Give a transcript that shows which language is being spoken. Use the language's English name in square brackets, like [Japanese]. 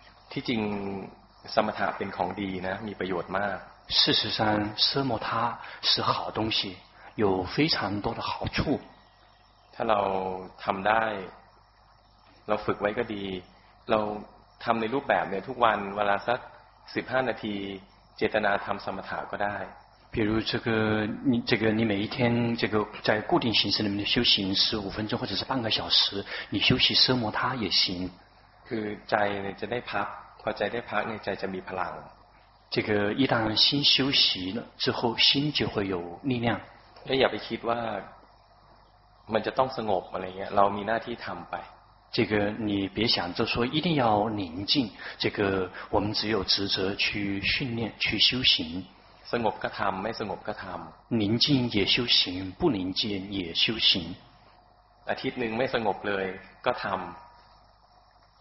[Thai] ที่จริงสมถะเป็นของดีนะมีประโยชน์มาก。 [Chinese] 事实上，四摩他是好东西，有非常多的好处。 [Thai] ถ้าเราทำได้เราฝึกไว้ก็ดีเราทำในรูปแบบเนี่ยทุกวันเวลาสัก15นาทีเจตนาทำสมถะก็ได้ [Chinese] 比如这个你每一天这个在固定形式里面的修行15分钟或者是半个小时你休息奢摩他也行 [Thai] คือใจเนี่ยจะได้พักพอใจได้พักเนี่ยใจจะมีพลัง [Chinese] 这个一旦心休息了之后心就会有力量 [Thai] แล้วอย่าไปคิดว่ามันจะต้องสงบอะไรเงี้ยเรามีหน้าที่ทำไป [Chinese] 这个你别想着说一定要宁静，这个我们只有职责去训练、去修行。生活个贪，没生活个贪。宁静也修行，不宁静也修行。 [Thai] อาทิตย์หนึ่งไม่สงบเลยก็ทำ。